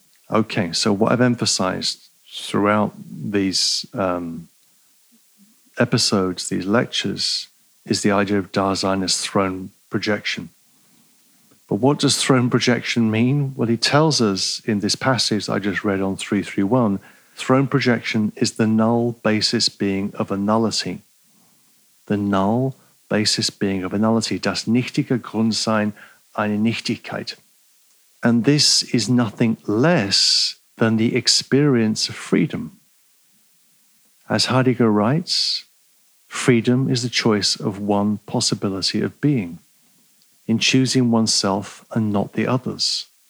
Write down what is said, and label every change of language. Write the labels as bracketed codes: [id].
[en] Okay, so what I've emphasized throughout these episodes, these lectures, is the idea of Dasein as throne projection. But what does throne projection mean? Well, he tells us in this passage I just read on 331, throne projection is the null basis being of a nullity. The null basis being of a nullity. [de] Das nichtige Grundsein eine Nichtigkeit. [en] And this is nothing less than the experience of freedom. As Heidegger writes, freedom is the choice of one possibility of being, in choosing oneself and not the others.